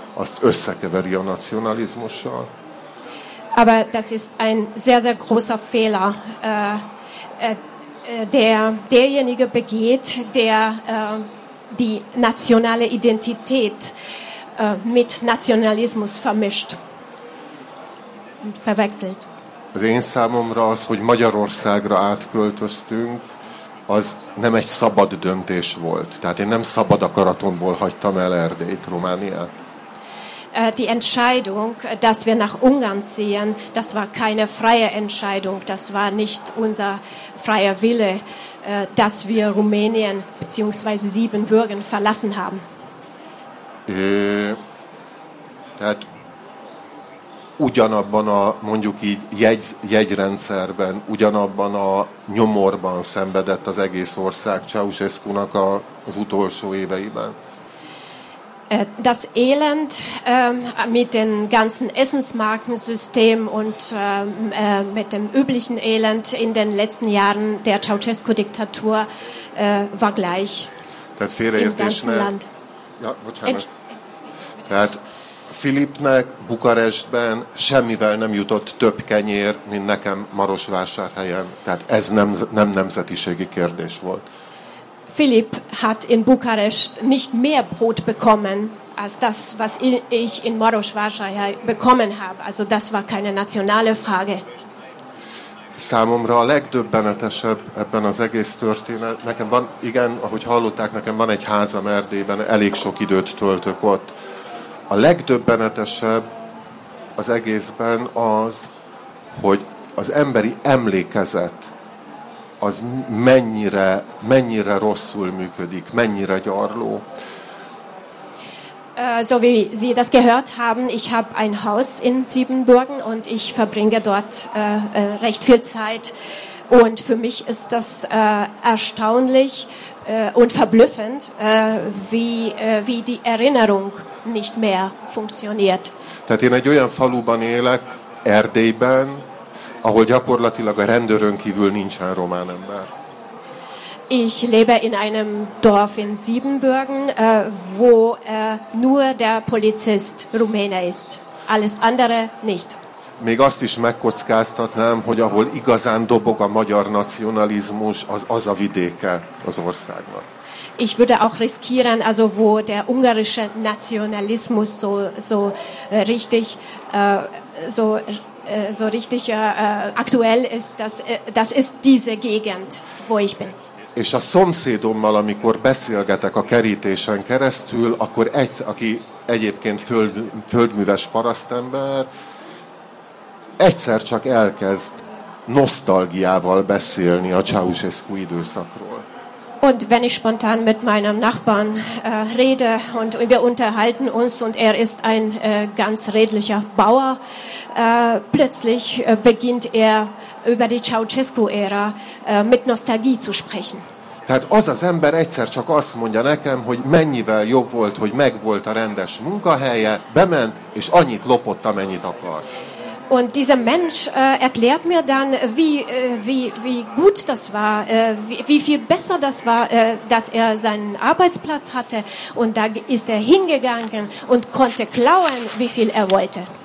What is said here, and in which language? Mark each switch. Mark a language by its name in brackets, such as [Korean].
[Hungarian] azt összekeveri a nacionalizmussal. [German] Aber das ist ein sehr, sehr großer Fehler, der derjenige begeht, der die nationale Identität mit Nationalismus vermischt und verwechselt. [Hungarian] Az én számomra az, hogy Magyarországra átköltöztünk, az nem egy szabad döntés volt. Tehát én nem szabad akaratomból hagytam el Erdélyt, Romániát. [German] Die Entscheidung, dass wir nach Ungarn ziehen, das war keine freie Entscheidung, das war nicht unser freier Wille, dass wir Rumänien bzw. Siebenbürgen verlassen haben. [Hungarian] Tehát ugyanabban a, mondjuk így, jegyrendszerben, ugyanabban a nyomorban szenvedett az egész ország Ceausescu-nak az utolsó éveiben. [German] Das Elend mit dem ganzen Essensmarkensystem und mit dem üblichen Elend in den letzten Jahren der Ceausescu-Diktatur war gleich. [Hungarian] Tehát félreértésnek... [German] Land. [Hungarian] Ja, bocsánat. Tehát Filipnek Bukarestben semmivel nem jutott több kenyér, mint nekem Marosvásárhelyen. Tehát ez nem nemzetiségi kérdés volt. [German] Philipp hat in Bukarest nicht mehr Brot bekommen, als das, was ich in Marosvásárhely bekommen habe. Also das war keine nationale Frage. [Hungarian] Számomra a legdöbbenetesebb ebben az egész történet. Nekem van, igen, ahogy hallották, nekem van egy házam Erdélyben, elég sok időt töltök ott. A legdöbbenetesebb az egészben az, hogy az emberi emlékezet az mennyire rosszul működik, mennyire gyarló. [German] So wie Sie das gehört haben, ich habe ein Haus in Siebenbürgen und ich verbringe dort recht viel Zeit. Und für mich ist das erstaunlich und verblüffend, wie die Erinnerung nicht mehr funktioniert. [Hungarian] Tehát én egy olyan faluban élek, Erdélyben, ahol gyakorlatilag a rendőrön kívül nincsen román ember. [German] Ich lebe in einem Dorf in Siebenbürgen, wo nur der Polizist Rumäne ist. Alles andere nicht. [Hungarian] Még azt is megkockáztatnám, hogy ahol igazán dobog a magyar nacionalizmus, az a vidéke az országnak. [German] Ich würde auch riskieren, also wo der ungarische Nationalismus so richtig aktuell ist, das ist diese Gegend, wo ich bin. [Hungarian] És a szomszédommal, amikor beszélgetek a kerítésen keresztül, akkor aki egyébként földműves parasztember, egyszer csak elkezd nosztalgiával beszélni a Ceausescu időszakról. [German] Und wenn ich spontan mit meinem Nachbarn rede und wir unterhalten uns und er ist ein ganz redlicher Bauer, plötzlich beginnt er über die Ceausescu-Ära mit Nostalgie zu sprechen. [Hungarian] Tehát az az ember egyszer csak azt mondja nekem, hogy mennyivel jobb volt, hogy megvolt a rendes munkahelye, bement és annyit lopott, amennyit akart. [German] Und dieser Mensch erklärt mir dann, wie gut das war, wie viel besser das war, dass er seinen Arbeitsplatz hatte. Und da ist er hingegangen und konnte klauen, wie viel er wollte.